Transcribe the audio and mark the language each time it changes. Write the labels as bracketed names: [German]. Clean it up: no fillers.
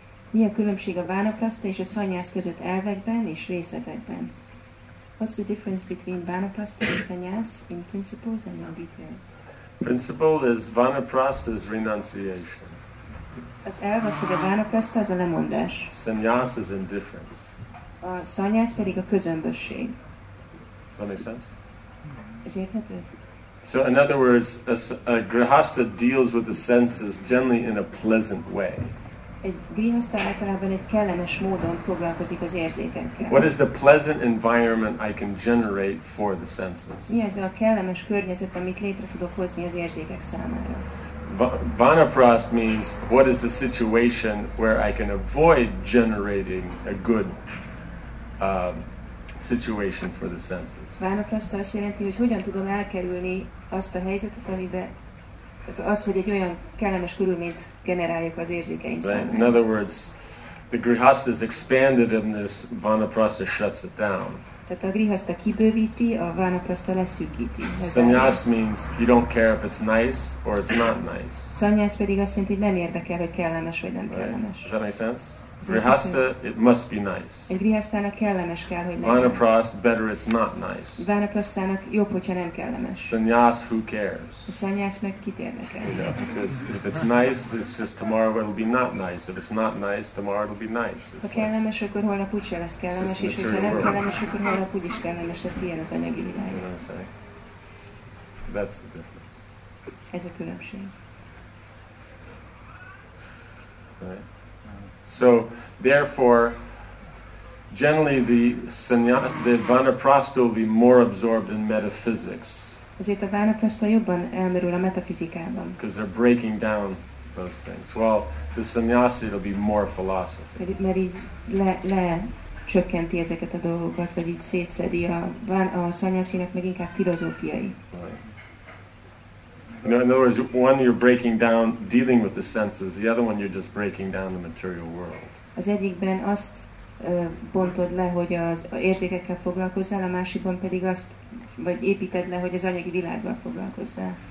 [Hungarian] Mi a különbség a vanaprasta és a szanyász között elvekben és részletekben? [English] What's the difference between vanaprasta and sanyas in principles and in details? Principle is vanaprasta is renunciation. [Hungarian] Az elv az, hogy a vanaprasta az a lemondás. [English] Sanyas is indifference. [Hungarian] A szanyász pedig a közömbösség. [English] Does that make sense? [Hungarian] Ez érthető? [English] So in other words, a grihastha deals with the senses generally in a pleasant way. [Hungarian] Egy grihastha általában egy kellemes módon foglalkozik az érzékekkel. [English] What is the pleasant environment I can generate for the senses? [Hungarian] Mi az a kellemes környezet, amit létre tudok hozni az érzékek számára? [English] Vanaprast means what is the situation where I can avoid generating a good situation for the senses. [Hungarian] Vanaprasta azt jelenti, hogy hogyan tudom elkerülni azt a helyzetet, amiben az, hogy egy olyan kellemes körülményt generáljuk az érzékeim számára. [English] In other words, the grihastha is expanded and the vanaprasta shuts it down. [Hungarian] Tehát a grihastha kibővíti, a vanaprasta leszűkíti. [English] Sanyas means you don't care if it's nice or it's not nice. [Hungarian] Sanyas pedig azt jelenti, hogy nem érdekel, hogy kellemes vagy nem kellemes. [English] Does that make sense? Grihastha, it must be nice. [Hungarian] Egy grihasztának kellemes kell, hogy legyen. [English] Vanaprast, better it's not nice. [Hungarian] Vanaprasztának jobb, hogyha nem kellemes. [English] Sanyas, who cares? [Hungarian] A sanyas meg kit érdekel? [English] If it's nice, it's just tomorrow it'll be not nice. If it's not nice, tomorrow it'll be nice. [Hungarian] Ha kellemes, akkor holnap úgy se lesz kellemes, és hogyha nem kellemes, akkor holnap úgy is kellemes lesz, ilyen az anyagi világ. [English] You know what I'm saying? That's the difference. [Hungarian] Ez a különbség. [English] So, therefore, generally the vanaprasta will be more absorbed in metaphysics. [Hungarian] Ezért a vanaprasta jobban elmerül a metafizikában. [English] Because they're breaking down those things. Well, the sannyasi will be more philosophy. [Hungarian] Mert így lecsökkenti ezeket a dolgokat, vagy így szétszedi a sannyasinak meg inkább filozófiai. [English] You know, in other words, one you're breaking down dealing with the senses, the other one you're just breaking down the material world. [Hungarian] Az egyikben azt bontod le, hogy az érzékekkel foglalkozzál, a másikon pedig azt, vagy építed le, hogy az anyagi világgal foglalkozzál.